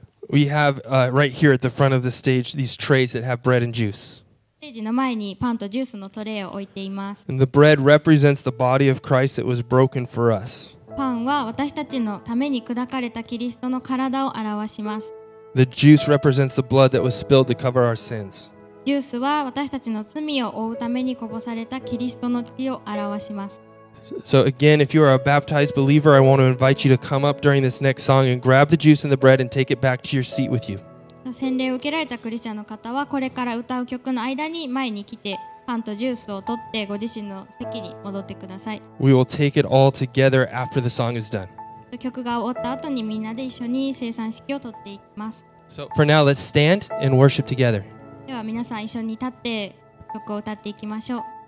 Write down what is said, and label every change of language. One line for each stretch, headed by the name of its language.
English: We have right here at the front of the stage these trays that have bread and juice.
Japanese: ステージの前にパンとジュースのトレイを置いています。
English: And the bread represents the body of Christ that was broken for us.
Japanese: パンは私たちのために砕かれたキリストの体を表します。
English: The juice represents the blood that was spilled to cover our sins.
Japanese: ジュースは私たちの罪を覆うためにこぼされたキリストの血を表します。
English: So again, if you are a baptized believer, I want to invite you to come up during this next song and grab the juice and the bread and take it back to your seat with you.
Japanese: 洗礼を受けられたクリスチャンの方はこれから歌う曲の間に前に来てパンとジュースを取ってご自身の席に戻ってください。
English: We will take it all together after the song is done.
Japanese: 曲が終わった後にみんなで一緒に聖餐式を取っていきます。
English: So for now, let's stand and worship together.
Japanese: では皆さん一緒に立って曲を歌っていきましょう。